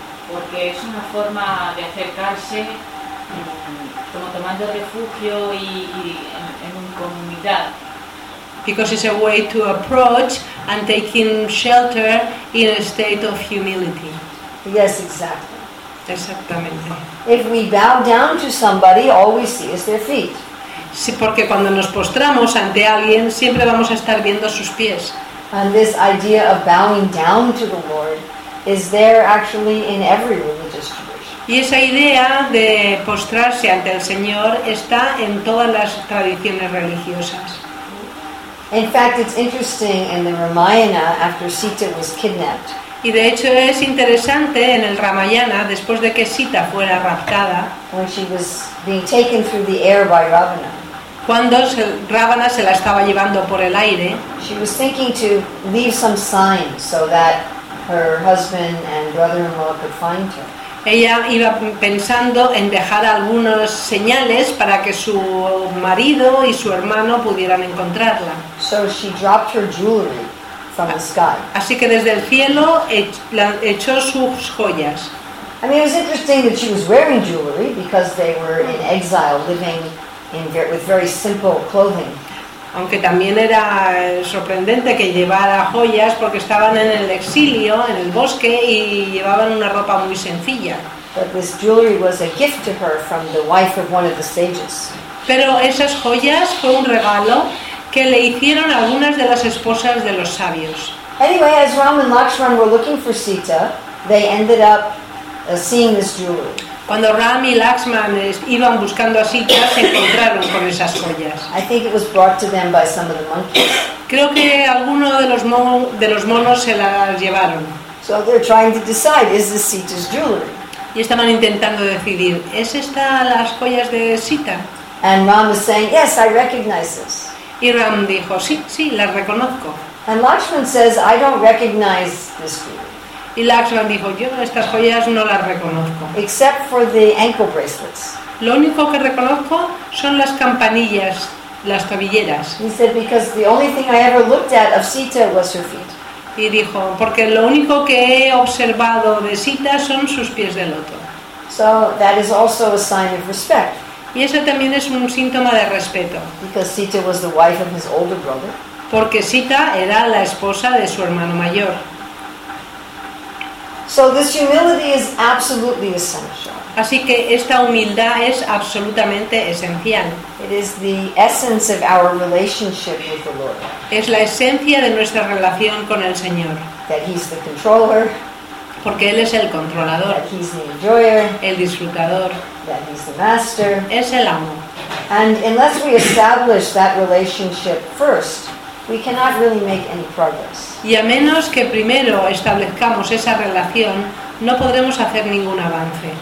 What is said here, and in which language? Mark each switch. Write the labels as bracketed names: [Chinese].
[Spanish] Porque es una forma de acercarse como tomando refugio y en una comunidad. [English] Because it's a way to approach and taking shelter in a state of humility. Yes, exactly. [Spanish] Exactamente. [English] If we bow down to somebody, all we see is their feet. [Spanish] Sí, porque cuando nos postramos ante alguien, siempre vamos a estar viendo sus pies. [English] And this idea of bowing down to the Lord is there actually in every religious tradition. [Spanish] Y esa idea de postrarse ante el Señor está en todas las tradiciones religiosas. [English] In fact, it's interesting in the Ramayana after Sita was kidnapped. [Spanish] Y de hecho es interesante en el Ramayana después de que Sita fuera raptada. [English] When she was being taken through the air by Ravana. [Spanish] Cuando Ravana se la estaba llevando por el aire, [English] she was thinking to leave some sign so that her husband and brother-in-law could find her. [Spanish] Ella iba pensando en dejar algunas señales para que su marido y su hermano pudieran encontrarla. [English] So she dropped her jewelry from the sky. [Spanish] Así que desde el cielo echó sus joyas. [English] I mean, it was interesting that she was wearing jewelry because they were in exile living with very simple clothing. [Spanish] Aunque también era sorprendente que llevara joyas porque estaban en el exilio, en el bosque, y llevaban una ropa muy sencilla. [English] But this jewelry was a gift to her from the wife of one of the sages. [Spanish] Pero esas joyas fue un regalo que le hicieron algunas de las esposas de los sabios. [English] Anyway, as Ram and Lakshman were looking for Sita, they ended up seeing this jewelry. [Spanish] Cuando Ram y Lakshman iban buscando a Sita, se encontraron con esas joyas. [English] I think it was brought to them by some of the monkeys. [Spanish] Creo que alguno de los monos se las llevaron. [English] So they're trying to decide, is this Sita's jewelry? [Spanish] Y estaban intentando decidir, ¿es esta las joyas de Sita? [English] And Ram was saying, yes, I recognize this. [Spanish] Y Ram dijo, sí, sí, las reconozco. [English] And Lakshman says, I don't recognize this jewelry. [Spanish] Y Lakshman dijo, yo estas joyas no las reconozco. [English] Except for the ankle bracelets. [Spanish] Lo único que reconozco son las campanillas, las tobilleras. [English] He said, because the only thing I ever looked at of Sita was her feet. [Spanish] Y dijo, porque lo único que he observado de Sita son sus pies de loto. [English] So that is also a sign of respect. [Spanish] Y eso también es un síntoma de respeto. [English] Because Sita was the wife of his older brother. [Spanish] Porque Sita era la esposa de su hermano mayor. [English] So this humility is absolutely essential. [Spanish] Así que esta humildad es absolutamente esencial. [English] It is the essence of our relationship with the Lord. [Spanish] Es la esencia de nuestra relación con el Señor. [English] That he's the controller. [Spanish] Porque él es el controlador, [English] he's the enjoyer, [Spanish] el disfrutador, [English] that he's the master, [Spanish] es el amo. [English] And unless we establish that relationship first, we cannot really make any progress. [Spanish] Y a menos que primero establezcamos esa relación, no podremos hacer ningún avance.